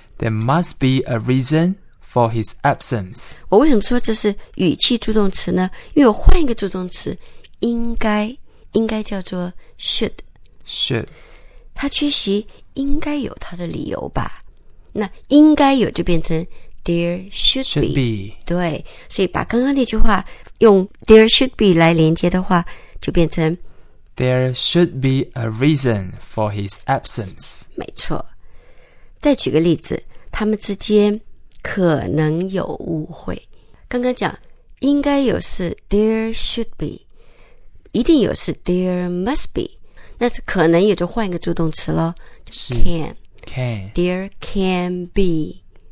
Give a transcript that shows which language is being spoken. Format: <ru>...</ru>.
<en>There must be a reason for his absence</en> <zh>我为什么说这是语气助动词呢？因为我换一个助动词，应该叫做 should 他缺席应该有他的理由吧，那应该有就变成 there should be 对，所以把刚刚那句话用 there should be 来连接的话就变成</zh> <en>there should be a reason for his absence，</en> <zh>没错。再举个例子，他们之间可能有误会，刚刚讲应该有是 there should be， 一定有是 there must be，那可能也就换一个助动词了，就是 can there can be</zh>